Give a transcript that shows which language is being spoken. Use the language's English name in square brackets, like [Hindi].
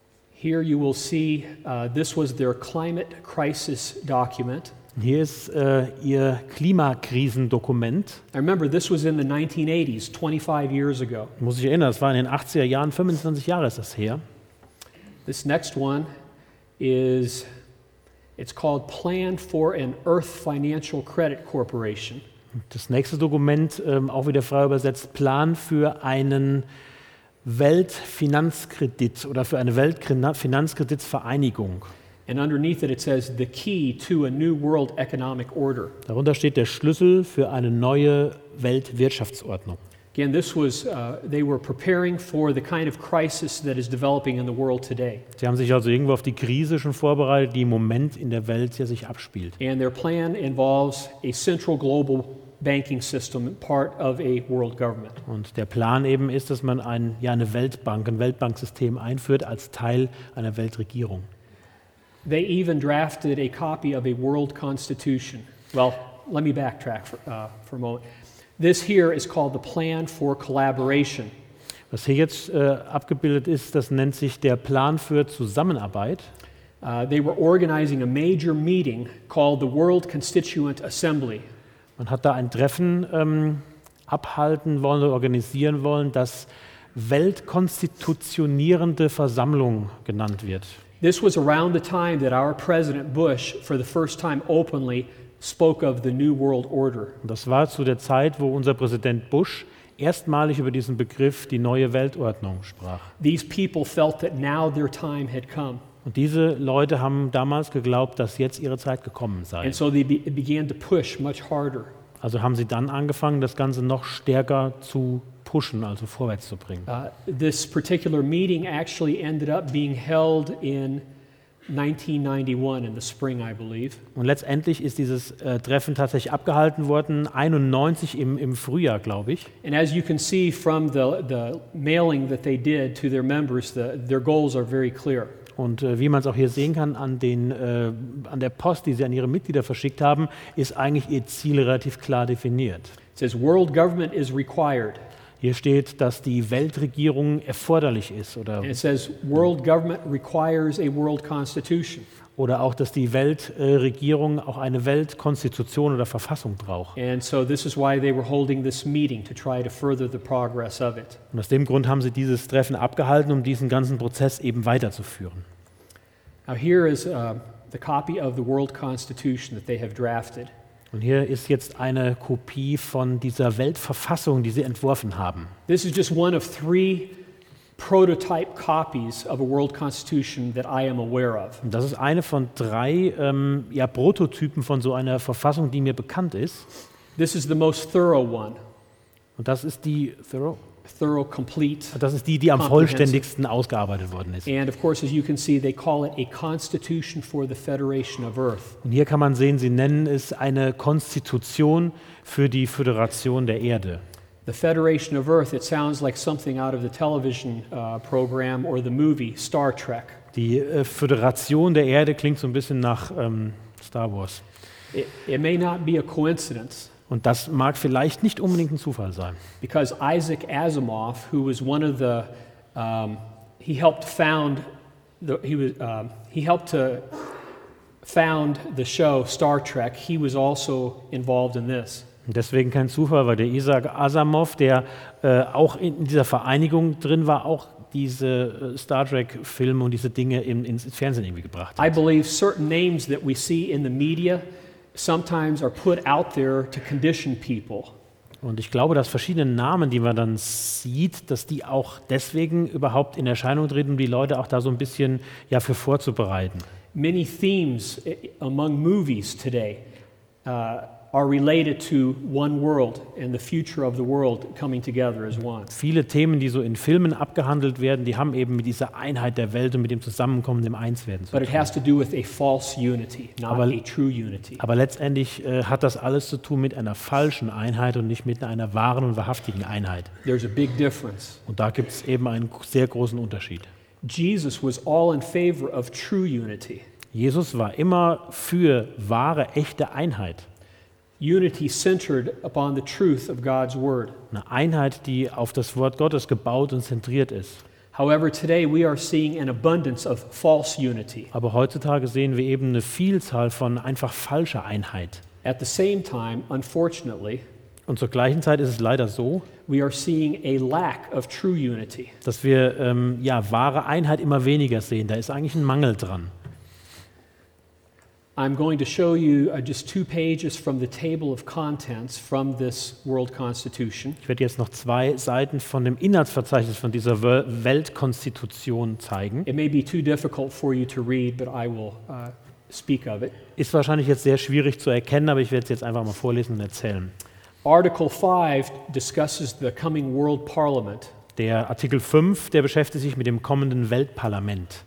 [English] Here you will see this was their climate crisis document. [German] Hier ist ihr Klimakrisendokument. [English] I remember this was in the 1980s, 25 years ago. [German] Muss ich erinnern, das war in den 80er Jahren, 25 Jahre ist das her. [English] This next one is it's called Plan for an Earth Financial Credit Corporation. [German] Das nächste Dokument auch wieder frei übersetzt Plan für einen Weltfinanzkredit oder für eine Weltfinanzkreditsvereinigung. [English] And underneath it says the key to a new world economic order. [German] Darunter steht der Schlüssel für eine neue Weltwirtschaftsordnung. [English] Again, this was they were preparing for the kind of crisis that is developing in the world today. [German] Sie haben sich also irgendwo auf die Krise schon vorbereitet, die im Moment in der Welt ja sich abspielt. [English] And their plan involves a central global banking system part of a world government. [German] Und der Plan eben ist, dass man eine Weltbank, ein Weltbanksystem einführt als Teil einer Weltregierung. [English] They even drafted a copy of a world constitution. Well, let me backtrack for a moment. This here is called the Plan for Collaboration. [German] Was hier jetzt abgebildet ist, das nennt sich der Plan für Zusammenarbeit. [English] They were organizing a major meeting called the World Constituent Assembly. [German] Man hat da ein Treffen abhalten wollen oder organisieren wollen, das weltkonstitutionierende Versammlung genannt wird. [English] This was around the time that our President Bush for the first time openly spoke of the New World Order. [German] Das war zu der Zeit, wo unser Präsident Bush erstmalig über diesen Begriff die neue Weltordnung sprach. [English] These people felt that now their time had come. [German] Und diese Leute haben damals geglaubt, dass jetzt ihre Zeit gekommen sei. [English] And so they began to push much harder. [German] Also haben sie dann angefangen, das Ganze noch stärker zu pushen, also vorwärts zu bringen. [English] This particular meeting actually ended up being held in 1991 in the spring, I believe. [German] Und letztendlich ist dieses Treffen tatsächlich abgehalten worden, 91 im Frühjahr, glaube ich. [English] And as you can see from the mailing that they did to their members, their goals are very clear. [German] Und wie man es auch hier sehen kann an der Post, die sie an ihre Mitglieder verschickt haben, ist eigentlich ihr Ziel relativ klar definiert. [English] It says world government is required. [German] Hier steht, dass die Weltregierung erforderlich ist oder [English] it says world government requires a world constitution. [German] Oder auch, dass die Weltregierung auch eine Weltkonstitution oder Verfassung braucht. [English] And so this is why they were holding this meeting to try to further the progress of it. [German] Und aus dem Grund haben sie dieses Treffen abgehalten, um diesen ganzen Prozess eben weiterzuführen. [English] Now here is the copy of the world constitution that they have drafted. [German] Und hier ist jetzt eine Kopie von dieser Weltverfassung, die sie entworfen haben. [English] This is just one of three prototype copies of a world constitution that I am aware of. [German] Und das ist eine von drei Prototypen von so einer Verfassung, die mir bekannt ist. [English] This is the most thorough one. [German] Und das ist die [English] thorough complete. [German] Das ist die am vollständigsten ausgearbeitet worden ist. [English] And of course as you can see they call it a constitution for the Federation of Earth. [German] Und hier kann man sehen, sie nennen es eine Konstitution für die Föderation der Erde. [English] The Federation of Earth, it sounds like something out of the television program or the movie Star Trek. [German] Die Föderation der Erde klingt so ein bisschen nach Star Wars. [English] It may not be a coincidence. [German] Und das mag vielleicht nicht unbedingt ein Zufall sein. [English] Because Isaac Asimov, who was one of the he helped to found the show Star Trek, he was also involved in this. [German] Und deswegen kein Zufall, weil der Isaac Asimov, der auch in dieser Vereinigung drin war, auch diese Star Trek Filme und diese Dinge ins Fernsehen irgendwie gebracht hat. [English] I believe certain names that we see in the media sometimes are put out there to condition people. [German] Und ich glaube, dass verschiedene Namen, die man dann sieht, dass die auch deswegen überhaupt in Erscheinung treten, um die Leute auch da so ein bisschen ja für vorzubereiten. [English] Many themes among movies today are related to one world and the future of the world coming together as one. [German] Viele Themen, die so in Filmen abgehandelt werden, die haben eben mit dieser Einheit der Welt und mit dem Zusammenkommen, dem Einswerden zu tun. [English] But it has to do with a false unity, not a true unity. [German] Aber letztendlich hat das alles zu tun mit einer falschen Einheit und nicht mit einer wahren und wahrhaftigen Einheit. [English] There's a big difference. [German] Und da gibt es eben einen sehr großen Unterschied. [English] Jesus was all in favor of true unity. [German] Jesus war immer für wahre, echte Einheit. [English] Unity centered upon the truth of God's word. [German] Eine Einheit, die auf das Wort Gottes gebaut und zentriert ist. [English] However, today we are seeing an abundance of false unity. [German] Aber heutzutage sehen wir eben eine Vielzahl von einfach falscher Einheit. [English] At the same time, unfortunately, [German] und zur gleichen Zeit ist es leider so, [English] we are seeing a lack of true unity. [German] Dass wir wahre Einheit immer weniger sehen. Da ist eigentlich ein Mangel dran. [English] I'm going to show you just two pages from the table of contents from this world constitution. [German] Ich werde jetzt noch zwei Seiten von dem Inhaltsverzeichnis von dieser Weltkonstitution zeigen. [English] It may be too difficult for you to read, but I will speak of it. [German] Ist wahrscheinlich jetzt sehr schwierig zu erkennen, aber ich werde es jetzt einfach mal vorlesen und erzählen. [English] Article 5 discusses the coming world parliament. [German] Der Artikel 5, der beschäftigt sich mit dem kommenden Weltparlament.